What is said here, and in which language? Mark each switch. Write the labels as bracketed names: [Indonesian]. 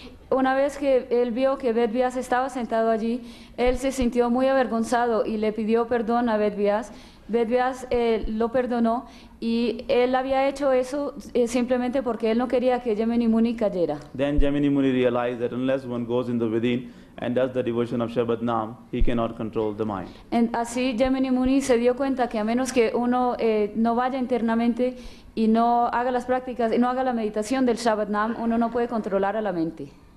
[Spanish] Una vez que él vio que Ved Vyas estaba sentado allí, él se sintió muy avergonzado y le pidió perdón a Ved Vyas. Ved Vyas lo perdonó, y él había hecho eso simplemente porque él no quería que Jamini Muni cayera. [English] Then Jamini Muni realized that unless one goes in the within and does the devotion of Shabad Nam, he cannot control the mind. [Spanish] And así Jamini Muni se dio cuenta que a menos que uno no vaya internamente y no haga las prácticas y no haga la meditación del Shabad Nam, uno no puede controlar a la mente.